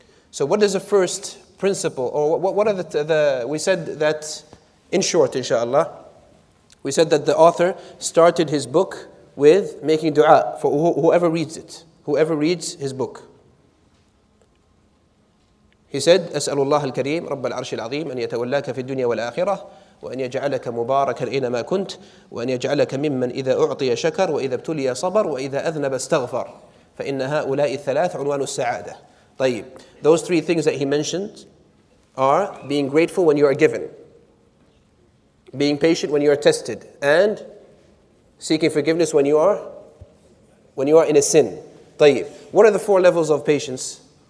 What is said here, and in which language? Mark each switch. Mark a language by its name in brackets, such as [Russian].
[English] So what is the first principle? Or what are the we said that, in short, inshallah, we said that the author started his book with making dua for whoever reads it, whoever reads his book. [Arabic] He said, أسأل الله الكريم رب العرش العظيم أن يتولاك في الدنيا والآخرة وأن يجعلك مباركا أينما كنت وأن يجعلك ممن إذا أعطي شكر وإذا ابتلي صبر وإذا أذنب استغفر فإن هؤلاء الثلاث عنوان السعادة. طيب. [English] Those three things that he mentioned are being grateful when you are given. Being patient when you are tested. And seeking forgiveness when you are in a sin. [Arabic] طيب. [English] What are the four levels of patience?